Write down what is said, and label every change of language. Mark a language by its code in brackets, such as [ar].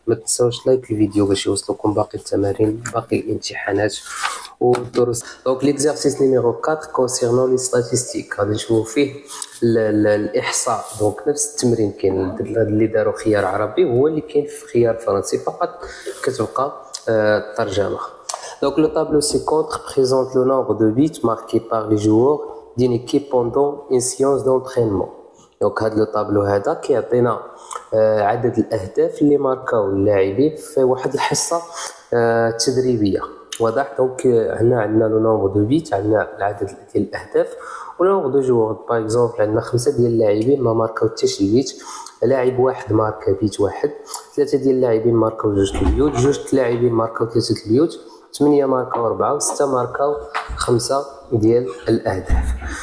[ar] ما تنساوش لايك الفيديو باش يوصلكم باقي التمارين باقي الامتحانات والدروس. دونك ليكزارسيس نيميرو 4 كونسيرنون لي ستاتيستيك، غادي نشوفوا فيه الاحصاء. دونك نفس التمرين كاين اللي داروا خيار عربي هو اللي كاين في خيار فرنسي، فقط كتبقى الترجمة. [fr] Donc le tableau 50 présente le nombre de buts marqués par les joueurs d'une équipe pendant une séance d'entraînement. [ar] Donc هذا لو طابلو هذا كيعطينا عدد الاهداف اللي ماركاو اللاعبين في واحد الحصه تدريبيه. واضح؟ دونك هنا عندنا لو نومبر دو بيت، عندنا العدد ديال الاهداف، ونومبر دو جوغ باغ اكزومبل عندنا خمسه ديال اللاعبين ما ماركاو حتى شي بيت، لاعب واحد ماركا بيت واحد، ثلاثه ديال اللاعبين ماركاو جوج البيوت، جوج اللاعبين ماركاو ثلاثه البيوت، ثمانيه ماركاو اربعه، وسته ماركاو خمسه ديال الاهداف.